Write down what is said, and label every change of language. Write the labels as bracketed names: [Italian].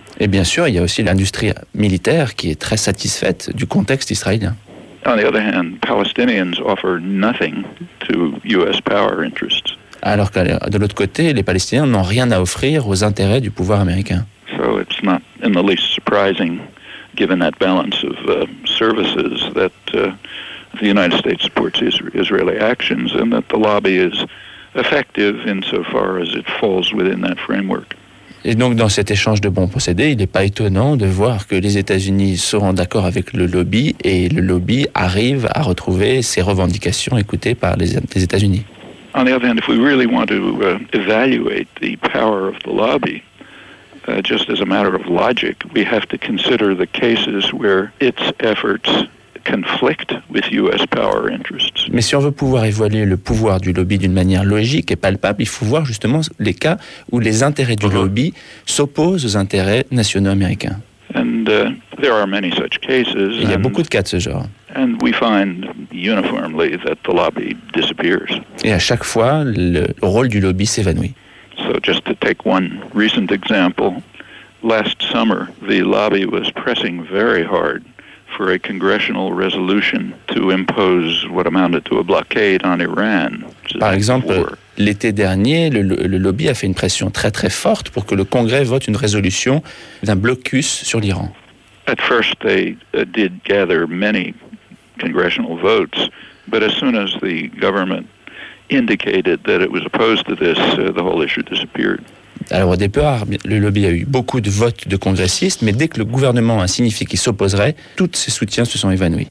[French] Et bien sûr, il y a aussi l'industrie militaire qui est très satisfaite du contexte israélien. [English] On the other hand, Palestinians offer nothing to U.S. power interests. [French] Alors que de l'autre côté, les Palestiniens n'ont rien à offrir aux intérêts du pouvoir américain. [English] So it's not in the least surprising, given that balance of services, that the United States supports Israeli actions and that the lobby is effective insofar as it falls within that framework. [French] Et donc, dans cet échange de bons procédés, il n'est pas étonnant de voir que les États-Unis seront d'accord avec le lobby et le lobby arrive à retrouver ses revendications écoutées par les États-Unis. [English] On the other hand, if we really want to evaluate the power of the lobby, just as a matter of logic, we have to consider the cases where its efforts conflict with U.S. power interests. [French] Mais si on veut pouvoir évaluer le pouvoir du lobby d'une manière logique et palpable, il faut voir justement les cas où les intérêts du lobby s'opposent aux intérêts nationaux américains. [English] And there are many such cases. [French] Il y a beaucoup de cas de ce genre. [English] And we find uniformly that the lobby disappears. [French] Et à chaque fois, le rôle du lobby s'évanouit. [English] So just to take one recent example, last summer, the lobby was pressing very hard for a congressional resolution to impose what amounted to a blockade on Iran. [French] Par exemple, l'été dernier, le lobby a fait une pression très très forte pour que le Congrès vote une résolution d'un blocus sur l'Iran. [English] At first they did gather many congressional votes, but as soon as the government indicated that it was opposed to this, the whole issue disappeared. [French] Alors au départ, le lobby a eu beaucoup de votes de congressistes, mais dès que le gouvernement a signifié qu'il s'opposerait, tous ses soutiens se sont évanouis.